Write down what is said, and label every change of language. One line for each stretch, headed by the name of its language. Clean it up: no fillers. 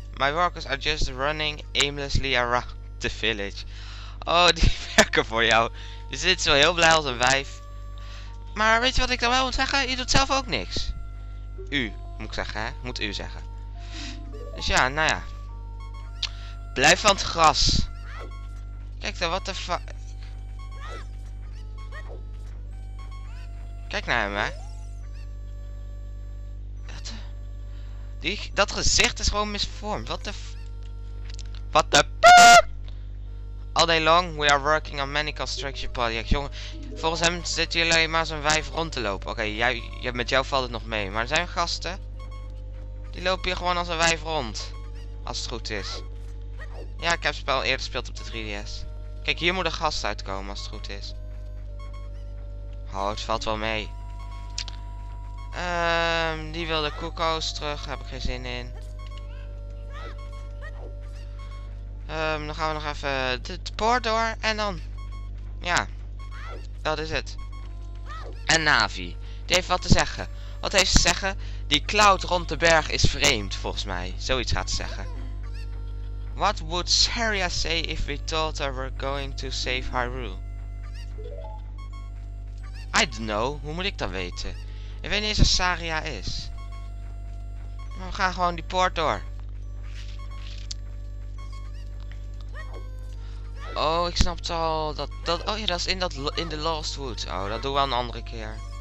English: My workers are just running aimlessly around the village.
Dutch: Oh, die werken voor jou. Die zit zo heel blij als een wijf. Maar weet je wat ik dan wel moet zeggen? Je doet zelf ook niks. U, moet ik zeggen, hè? Moet u zeggen. Dus ja, nou ja. Blijf van het gras. Kijk dan, wat de fuck. Kijk naar hem, hè. Wat de... Dat gezicht is gewoon misvormd. Wat de... Wat de...
English: All day long, we are working on many construction projects.
Dutch: Jongen, volgens hem zit hier alleen maar zo'n wijf rond te lopen. Oké, met jou valt het nog mee. Maar er zijn gasten... Die lopen hier gewoon als een wijf rond. Als het goed is. Ja, ik heb het spel eerder gespeeld op de 3DS. Kijk, hier moet een gast uitkomen als het goed is. Oh, het valt wel mee. Die wilde koekoes terug. Heb ik geen zin in. Dan gaan we nog even de poort door. En dan... Ja. Dat is het. En Navi. Die heeft wat te zeggen. Wat heeft ze te zeggen? Die cloud rond de berg is vreemd, volgens mij. Zoiets gaat ze zeggen.
English: What would Saria say if we thought we were going to save Hyrule? I don't know.
Dutch: Hoe moet ik dat weten? Ik weet niet eens waar Saria is. Maar we gaan gewoon die poort door. Oh, ik snap het al. Oh ja, dat is in de Lost Woods. Oh, dat doen we een andere keer.